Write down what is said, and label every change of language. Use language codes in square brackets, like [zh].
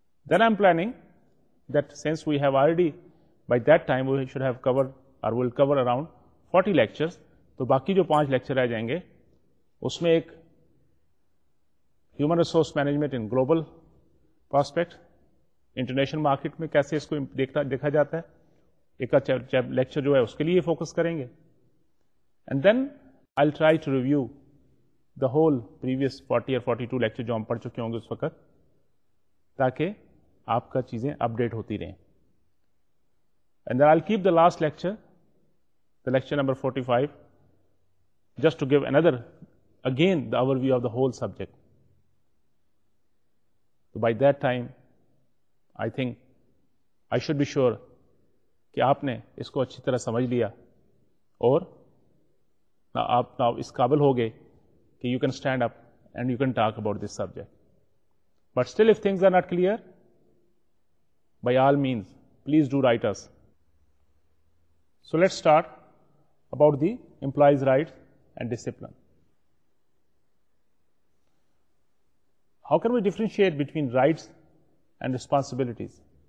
[en] then I am planning that since we have already by that time we should have cover or will cover around 40 lectures, [ur] تو باقی جو 5 lecture رہ جائیں گے اس میں ایک [en] human resource management in global prospect, [ur] انٹرنیشنل مارکیٹ میں کیسے اس کو دیکھا جاتا ہے, ایک لیکچر جو ہے اس کے لیے فوکس کریں گے. [en] and then I try to review the whole previous 40 or 42 lecture [ur] جو ہم پڑھ چکے ہوں گے اس وقت, تاکہ آپ کا چیزیں اپڈیٹ ہوتی رہیں. [en] And then I keep the last lecture, the lecture number 45, just to give اندر again the overview of the whole subject. [ur] تو [en] by that time I think I should be sure [ur] کہ آپ نے اس کو اچھی طرح سمجھ لیا اور آپ نا اس قابل ہو گئے کہ [en] you can stand up and you can talk about this subject. But still, if things are not clear, by all means, please do write us. So let's start about the employees' rights and discipline. How can we differentiate between rights and responsibilities?